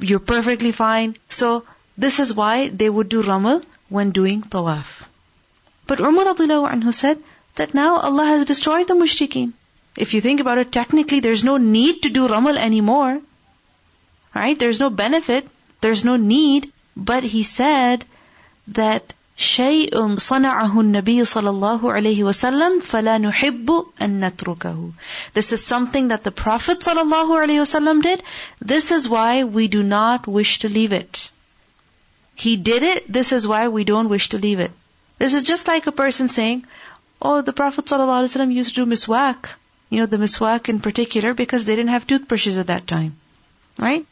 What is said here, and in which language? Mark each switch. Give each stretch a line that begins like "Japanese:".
English: You're perfectly fine. So this is why they would do ramal when doing tawaf. But Umar radiallahu anhu said that now Allah has destroyed the mushrikeen. If you think about it, technically there's no need to do ramal anymore. Right? There's no benefit. There's no need. But he said that
Arabic: شَيْءٌ صَنَعَهُ النَّبِيُّ صَلَى اللَّهُ عَلَيْهِ وَسَلَّمْ فَلَا نُحِبُّ أَن نَتْرُكَهُ.
English: This is something that the Prophet ﷺ did. This is why we do not wish to leave it. He did it, this is why we don't wish to leave it. This is just like a person saying, oh, the Prophet ﷺ used to do miswak. You know, the miswak in particular, because they didn't have toothbrushes at that time. Right?